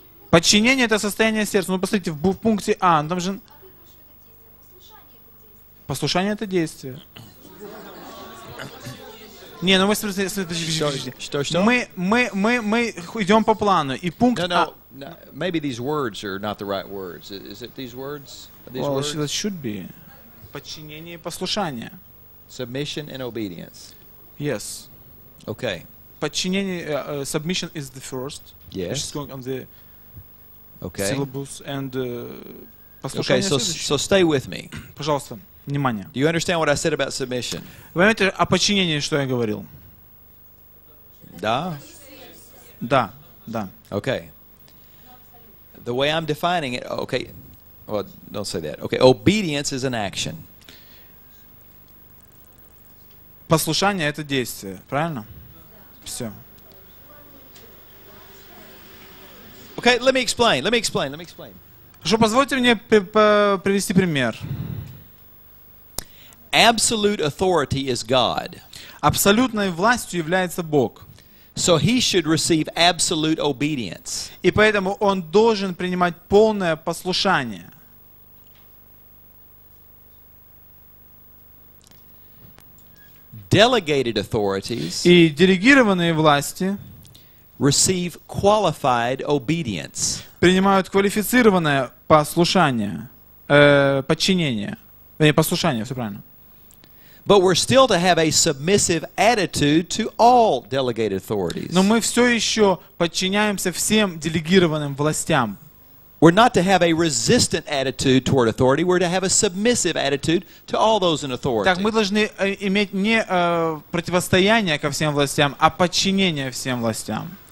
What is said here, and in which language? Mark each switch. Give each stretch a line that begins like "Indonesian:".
Russian: Подчинение — это состояние сердца. Ну, посмотрите, в пункте А, ну, там же... Послушание — это действие. Не, ну вы смотрите, мы идем по плану, и пункт А...
English: Maybe these words are not the right words. Is it these words? Well, it should be.
Russian: Подчинение и послушание.
English: Submission and obedience. Yes. Okay. Подчинение, submission is the first. Yes. Which is going on the... Okay. Syllabus and Okay, so stay with me.
Russian: Пожалуйста, внимание.
English: Do you understand what I said about submission?
Russian: Вы понимаете, о подчинении, что я говорил? Да. Да. Да.
English: Okay. The way I'm defining it, okay, well, don't say that. Okay, obedience is an action.
Russian: Послушание — это действие, правильно? Все.
English: Okay, let me explain. Let me explain. Let me explain.
Russian: Хорошо, позвольте мне привести пример.
English: Absolute authority is God.
Russian: Абсолютной властью является Бог.
English: So he should receive absolute obedience.
Russian: И поэтому он должен принимать полное послушание.
English: Delegated authorities.
Russian: И делегированные власти
English: receive qualified obedience.
Russian: Принимают квалифицированное послушание, подчинение, не послушание, все правильно.
English: But we're still to have a submissive attitude to all delegated authorities.
Russian: Но мы все еще подчиняемся всем делегированным властям.
English: We're not to have a resistant attitude toward authority. We're to have a submissive attitude to all those in authority.
Russian: Так мы должны иметь не противостояние ко всем властям, а подчинение всем властям.